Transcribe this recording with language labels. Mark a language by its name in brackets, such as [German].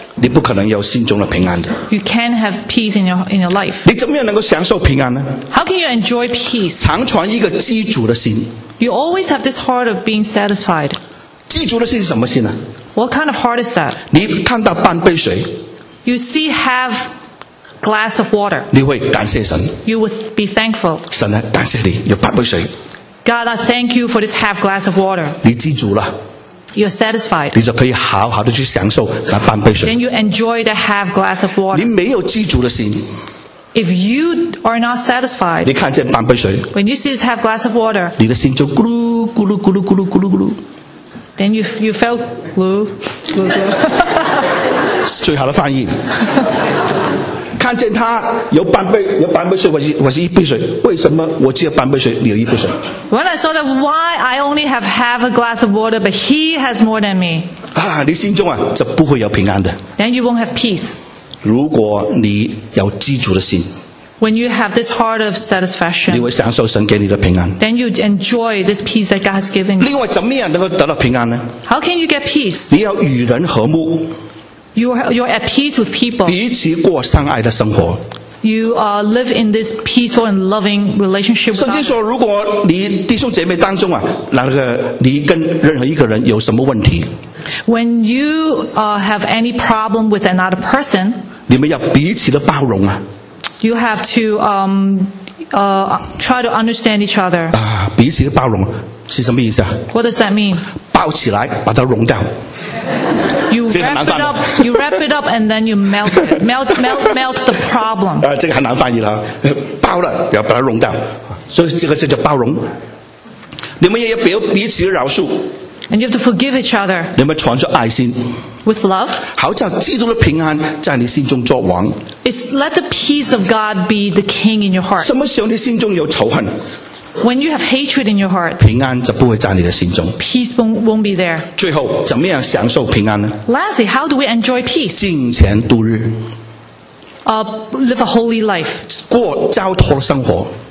[Chinese] 你不可能有心中的平安的。 [English] You can't have peace in your life. [Chinese] 你怎么样能够享受平安呢？ [English] How can you enjoy peace? [Chinese] 常存一个知足的心。 [English] You always have this heart of being satisfied. [Chinese] 知足的心是什么心呢？ [English] What kind of heart is that? [Chinese] 你看到半杯水。 [English] You see half glass of water. [Chinese] 你会感谢神。 [English] You would be thankful. [Chinese] 神啊，感谢你，有半杯水。 [English] God, I thank you for this half glass of water. [Chinese] 你知足了。 [English] You're satisfied. [Chinese] 你就可以好好的去享受那半杯水。 [English] Then you enjoy the half glass of water. [Chinese] 你没有知足的心。 [English] If you are not satisfied, [Chinese] 你看见半杯水。 [English] When you see this half glass of water, [Chinese] 你的心就咕噜咕噜咕噜咕噜咕噜咕噜。 [English] Then you feel glue. [Chinese] 是最好的翻译。看见他有半杯水，我是一杯水。为什么我只有半杯水，你有一杯水 [English] ？When I saw that, why I only have half a glass of water, but he has more than me. [Chinese] 啊，你心中啊，就不会有平安的。 [English] Then you won't have peace. [Chinese] 如果你有知足的心 [English] ，When you have this heart of satisfaction, [Chinese] 你会享受神给你的平安。 [English] Then you enjoy this peace that God has given you. [Chinese] 另外，怎么样能够得到平安呢 [English] ？How can you get peace? [Chinese] 你要与人和睦。 [English] You're at peace with people. [Chinese] 彼此过相爱的生活。 [English] You live in this peaceful and loving relationship. [Chinese] 圣经说，如果你弟兄姐妹当中啊，那个你跟任何一个人有什么问题 [English] ？When you have any problem with another person, [Chinese] 你们要彼此的包容啊。 [English] You have to try to understand each other. [Chinese] 啊，彼此的包容是什么意思啊 [English] ？What does that mean? [Chinese] 包起来，把它融掉。 [English] You wrap it up and then you melt the problem. [Chinese] 啊，这个很难翻译了，包了要把它融掉，所以这个叫包容。你们也要彼此饶恕。 [English] And you have to forgive each other. [Chinese] 你们传出爱心。 [English] With love. [Chinese] 好叫基督的平安在你心中作王。 [English] It's let the peace of God be the king in your heart. [Chinese] 什么时候你心中有仇恨？ [English] When you have hatred in your heart, [Chinese] 平安就不会在你的心中。 [English] Peace won't be there. [Chinese] 最后，怎么样享受平安呢？ [English] Lastly, how do we enjoy peace? [Chinese] 敬虔度日。 [English] Live a holy life. [Chinese] 过交托的生活。